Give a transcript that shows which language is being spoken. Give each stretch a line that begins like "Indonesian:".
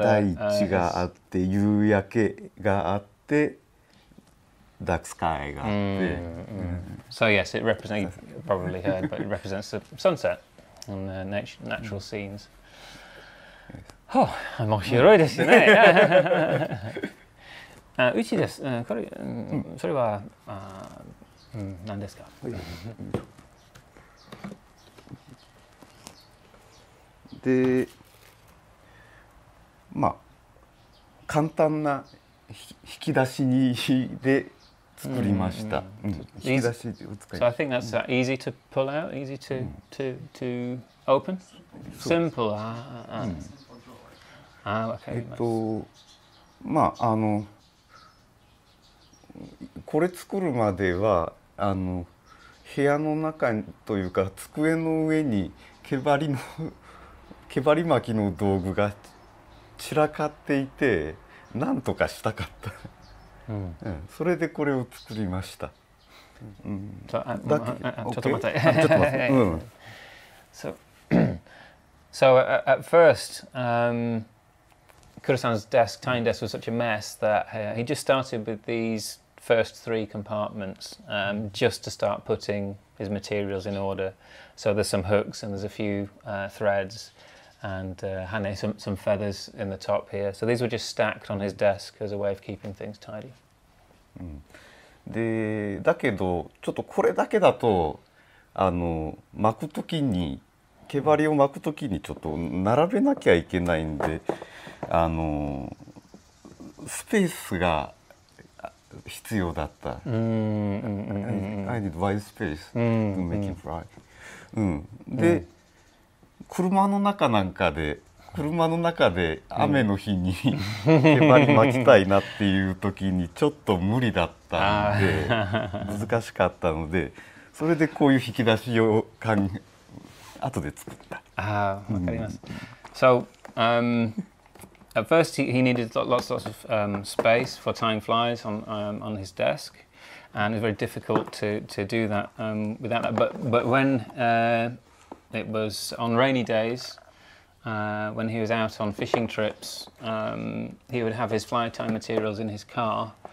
Japanese: 大地があって、夕焼けがあって、ダークスカイがあって。
English: So yes, it represents, you've probably heard, but it represents the sunset and the natural scenes.
Japanese: Oh, 面白いですね。うちです。これ、それは、何ですか？で、まあ、簡単な引き出しにで作りました。引き出しを使います。
English: So I think that's easy to pull out, easy to open. Simple. Okay.
Japanese: まあ、あの、これ作るまでは、あの、部屋の中というか、机の上に毛針巻きの道具が散らかっていて、なんとかしたかった。それでこれを作りました。ちょっと待って。
English: So at first, Kura-san's desk, tiny desk, was such a mess that he just started with these first three compartments, just to start putting his materials in order. So there's some hooks and there's a few threads. And Hane, some feathers in the top here. So these were just stacked on his desk as a way of keeping things tidy.
Japanese: で、だけどちょっとこれだけだと、あの、巻くときに毛針を巻くときにちょっと並べなきゃいけないんで、あの、スペースが必要だった。
English: I need wide space to make it fly.
Japanese: で。車の中なんかで、車の中で雨の日に毛針巻きたいなっていう時にちょっと無理だったので、難しかったので、それでこういう引き出しを後で作った。わかります。
English: So, at first he needed lots of space for tying flies on his desk, and it was very difficult to do that without that. But when it was on rainy days, when he was out on fishing trips, he would have his fly tying materials in his car.